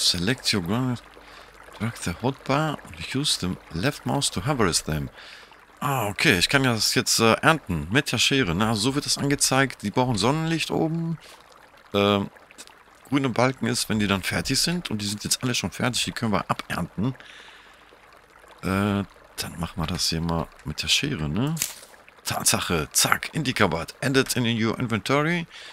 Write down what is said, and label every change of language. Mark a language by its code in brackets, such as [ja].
[en] Select your ground, drag the hotbar and use the left mouse to harvest them. [de] Ah, okay, ich kann das jetzt ernten mit der Schere. Na, so wird das angezeigt. Die brauchen Sonnenlicht oben. Grüne Balken ist, wenn die dann fertig sind. Und die sind jetzt alle schon fertig. Die können wir abernten. Dann machen wir das hier mal mit der Schere, ne? Tatsache, zack, [en] Indica-Bud ended in your inventory.